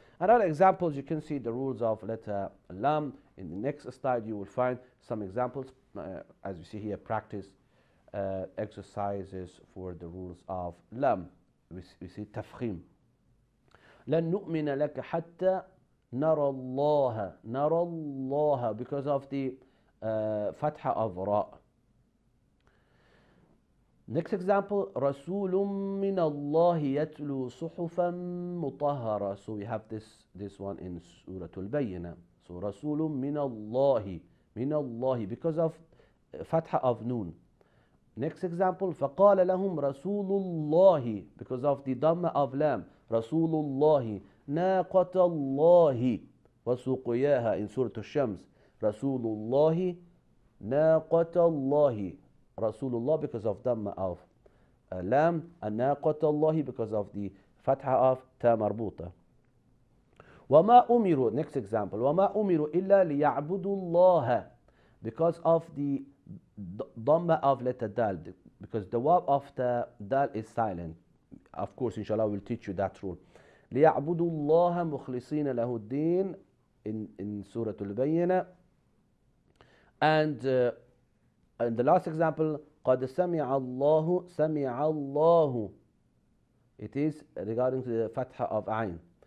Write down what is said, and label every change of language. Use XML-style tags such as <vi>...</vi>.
<en>Another examples, you can see the rules of letter Lam. In the next slide, you will find some examples, as you see here, practice. Exercises for the rules of lam. We see tafkhim.</en> <ar>لن نؤمن لك حتى نرى الله. نرى الله,</ar> <en>because of the fatha of ra. Next example,</en> <ar>رسول من الله يتلو صحفا مطهرة.</ar> <en>So we have this one in Surah Al-Bayyinah. So</en> <ar>رسول من الله,</ar> <en>because of fatha of noon. Next example,</en> <ar>فَقَالَ لَهُمْ رَسُولُ اللَّهِ,</ar> <en>because of the dhamma of lam,</en> <ar>رَسُولُ اللَّهِ نَاقَةَ اللَّهِ وَسُقْيَاهَا,</ar> <en>in Surah Al-Shams,</en> <ar>رَسُولُ اللَّهِ نَاقَةَ اللَّهِ, رَسُولُ اللَّهِ</ar> <en>because of dhamma of lam, and</en> <ar>نَاقَةَ اللَّهِ</ar> <en>because of the fatha of ta marbuta.</en> <ar>وَمَا أُمِرُوا,</ar> <en>next example,</en> <ar>وَمَا أُمِرُوا إِلَّا لِيَعْبُدُوا اللَّهَ,</ar> <en>because of the dhamma of letter dal, because the waw of the dal is silent. Of course, inshallah, we'll teach you that rule.</en> <ar>لِيَعْبُدُوا اللَّهَ مُخْلِصِينَ لَهُ الدِّينَ</ar> <en>in Surah Al-Bayyinah. And in the last example,</en> <ar>قَدْ سَمِعَ اللَّهُ سَمِعَ اللَّهُ.</ar> <en>It is regarding the Fatha of Ayn.</en>